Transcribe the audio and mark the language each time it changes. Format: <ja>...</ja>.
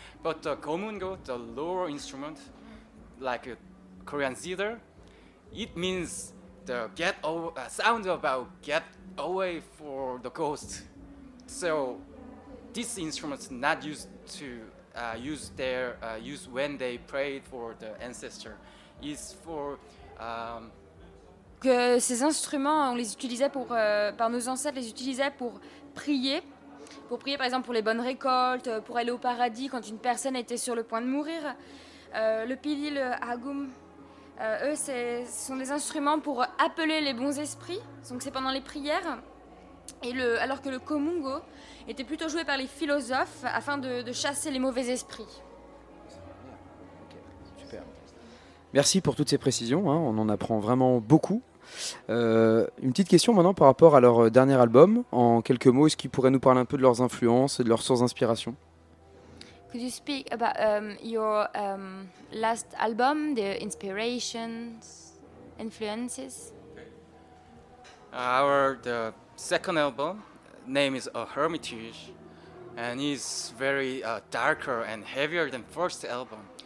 <en>But the gomungo, the lower instrument, like a Korean zither, it means the get over sound about get away for the ghost. So this instrument not used to use when they prayed for the ancestor. Is for</en> <fr>que ces instruments, on les utilisait pour par nos ancêtres, les utilisait pour prier par exemple pour les bonnes récoltes, pour aller au paradis quand une personne était sur le point de mourir. Le pili, le hagum, eux, ce sont des instruments pour appeler les bons esprits. Donc c'est pendant les prières. Alors que le komungo était plutôt joué par les philosophes afin de chasser les mauvais esprits. Merci pour toutes ces précisions, hein. On en apprend vraiment beaucoup. Une petite question maintenant par rapport à leur dernier album. En quelques mots, est-ce qu'ils pourraient nous parler un peu de leurs influences et de leurs sources d'inspiration?</fr> <en>Could you speak about your last album, the inspirations, influences? Our the second album name is A Hermitage, and it's very darker and heavier than first album.</en>